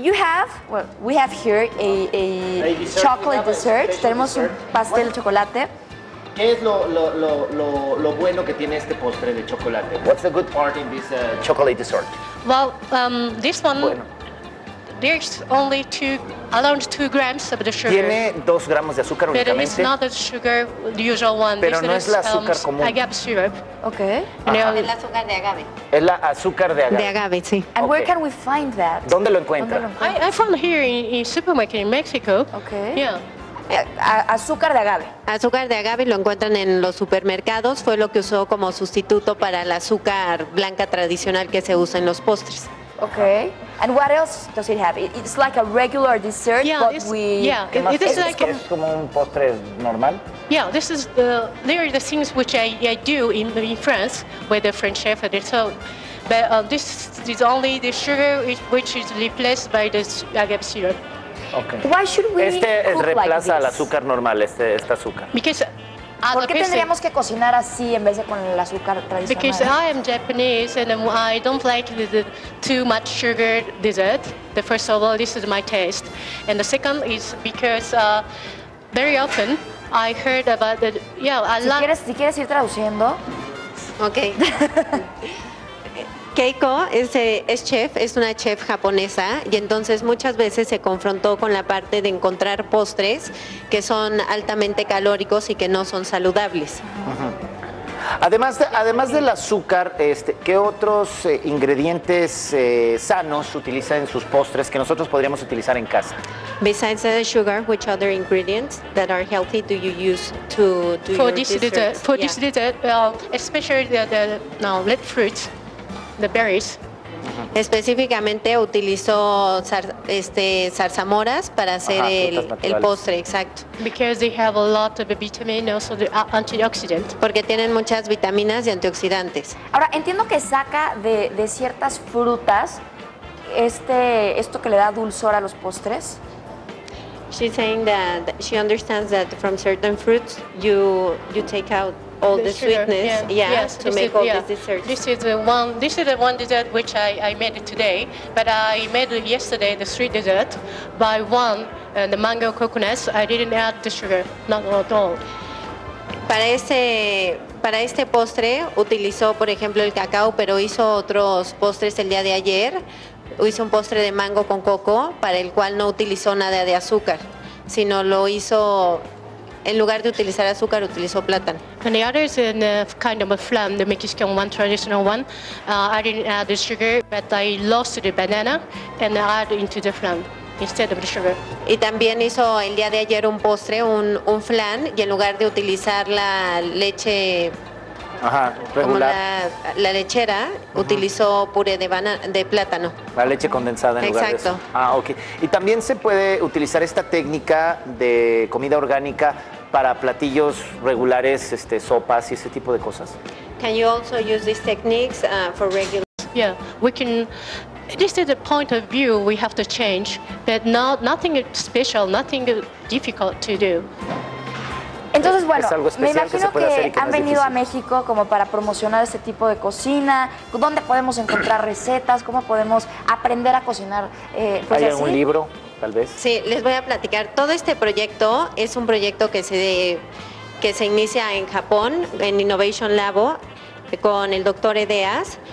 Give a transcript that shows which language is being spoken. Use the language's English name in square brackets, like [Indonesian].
[English] You have, well, we have here a chocolate dessert. [Spanish] Tenemos un pastel de chocolate. ¿Qué es lo bueno que tiene este postre de chocolate? [English] What's the good part in this chocolate dessert? Well, this one. [Spanish] Bueno. [English] There's only around two grams of the sugar. [Spanish] Tiene 2 gramos de azúcar únicamente. [English] But it's not the sugar, the usual one. [Spanish] Pero no es la azúcar común. [English] Agave syrup. Okay. [Spanish] No, es el azúcar de agave. Es la azúcar de agave. De agave, sí. [English] And okay. Where can we find that? [Spanish] ¿Dónde lo encuentra? [English] I found here in supermarket in Mexico. Okay. Yeah. [Spanish] Azúcar de agave. Azúcar de agave lo encuentran en los supermercados. Fue lo que usó como sustituto para el azúcar blanca tradicional que se usa en los postres. [English] Okay. And what else does it have? It's like a regular dessert, yeah, but we... Yeah, it is like... [Spanish] ¿Es como un postre normal? [English] Yeah, this is the... There are the things which I do in France with the French chef. And so, but this is only the sugar which is replaced by the agave syrup. Okay. Why should we [Spanish] este [English] cook like this? [Spanish] Este reemplaza al azúcar normal, este azúcar. [English] Because... [Spanish] ¿Por qué tendríamos que cocinar así en vez de con el azúcar tradicional? [English] Because I am Japanese and I don't like the too much sugar dessert. The first of all, this is my taste. And the second is because very often I heard about the yeah, [Spanish] si quieres ir traduciendo. [English] Okay. [Spanish] Keiko es chef, es una chef japonesa, y entonces muchas veces se confrontó con la parte de encontrar postres que son altamente calóricos y que no son saludables. Uh-huh. Además del azúcar, ¿qué otros ingredientes sanos utiliza en sus postres que nosotros podríamos utilizar en casa? [English] Besides the sugar, which other ingredients that are healthy do you use to do for your this dessert? For yeah. This dessert, especially red fruits. The berries. [Spanish] Específicamente utilizó zarzamoras para hacer el postre, exacto. [English] Because they have a lot of vitamin, also the antioxidant. [Spanish] Porque tienen muchas vitaminas y antioxidantes. Ahora, entiendo que saca de ciertas frutas esto que le da dulzor a los postres. [English] She's saying that she understands that from certain fruits you take out all the sweetness, This is the one dessert which I made today, but I made yesterday the sweet dessert by one and the mango coconuts. I didn't add the sugar, not at all. [Spanish] Para este postre utilizó, por ejemplo, el cacao, pero hizo otros postres el día de ayer. Hizo un postre de mango con coco, para el cual no utilizó nada de azúcar, sino lo hizo, en lugar de utilizar azúcar, utilizó plátano. And the other is in a kind of a flan, the Mexican one, traditional one. I didn't add the sugar, but I lost the banana and add into the flan instead of the sugar. Y también hizo el día de ayer un postre, un flan, y en lugar de utilizar la leche... Ajá, regular. Como la lechera, uh-huh. Utilizó puré de plátano. La leche condensada en exacto. Lugar de eso. Ah, ok. Y también se puede utilizar esta técnica de comida orgánica para platillos regulares, sopas y ese tipo de cosas. [English] Can you also use these techniques for regular? Yeah, we can. This is the point of view we have to change, but nothing special, nothing difficult to do. [Spanish] Entonces, bueno, me imagino que han venido a México como para promocionar este tipo de cocina. ¿Dónde podemos encontrar recetas? ¿Cómo podemos aprender a cocinar? ¿Hay algún libro, tal vez? Sí, les voy a platicar. Todo este proyecto es un proyecto que se inicia en Japón, en Innovation Labo, con el doctor Edeas.